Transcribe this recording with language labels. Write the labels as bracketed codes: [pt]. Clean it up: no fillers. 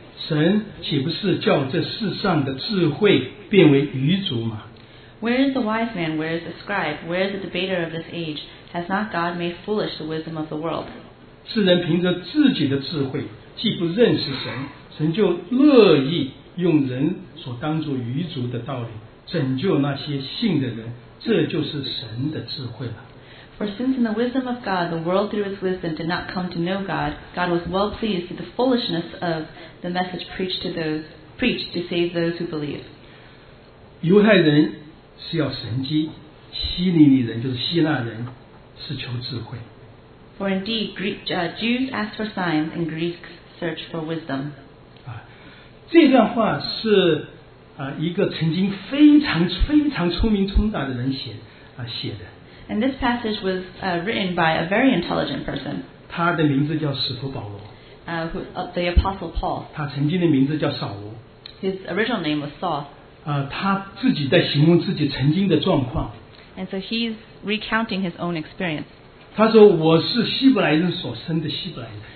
[zh] 神岂不是叫这世上的智慧变为愚拙吗？ [en] Where is the wise man? Where is the scribe? Where is the debater of this age? Has not God made foolish the wisdom of the world? [zh] 世人凭着自己的智慧，既不认识神，神就乐意用人所当作愚拙的道理拯救那些信的人，这就是神的智慧了。 [en] For since in the wisdom of God, the world through its wisdom did not come to know God, God was well pleased with the foolishness of the message preached to save those who believe. [zh] 犹太人是要神迹，希利尼人就是希腊人是求智慧。 [en] For indeed, Jews asked for signs and Greeks searched for wisdom. [zh] 这段话是一个曾经非常非常聪明通达的人写的。 [en] And this passage was written by a very intelligent person. [zh] 他的名字叫使徒保罗。 [en] The Apostle Paul. [zh] 他曾经的名字叫扫罗。 [en] His original name was Saul. [zh] 他自己在形容自己曾经的状况。 [en] And so he's recounting his own experience. [zh] 他说我是希伯来人所生的希伯来人。